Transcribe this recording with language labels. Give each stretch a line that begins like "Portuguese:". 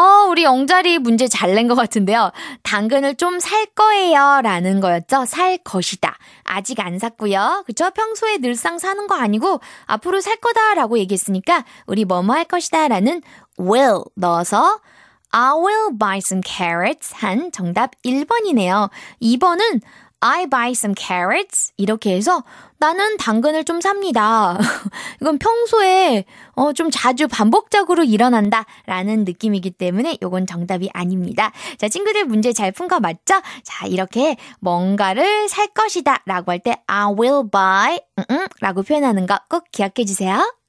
Korean: 우리 영자리 문제 잘 낸 것 같은데요. 당근을 좀 살 거예요 라는 거였죠. 살 것이다. 아직 안 샀고요. 그렇죠? 평소에 늘상 사는 거 아니고 앞으로 살 거다 라고 얘기했으니까 우리 뭐뭐 할 것이다 라는 will 넣어서
English: I will buy some carrots
Korean: 한 정답 1번이네요. 2번은
English: I buy some carrots
Korean: 이렇게 해서 나는 당근을 좀 삽니다. 이건 평소에 좀 자주 반복적으로 일어난다 라는 느낌이기 때문에 이건 정답이 아닙니다. 자, 친구들 문제 잘 푼 거 맞죠? 자, 이렇게 뭔가를 살 것이다 라고 할 때
English: I will buy
Korean: 라고 표현하는 거 꼭 기억해 주세요.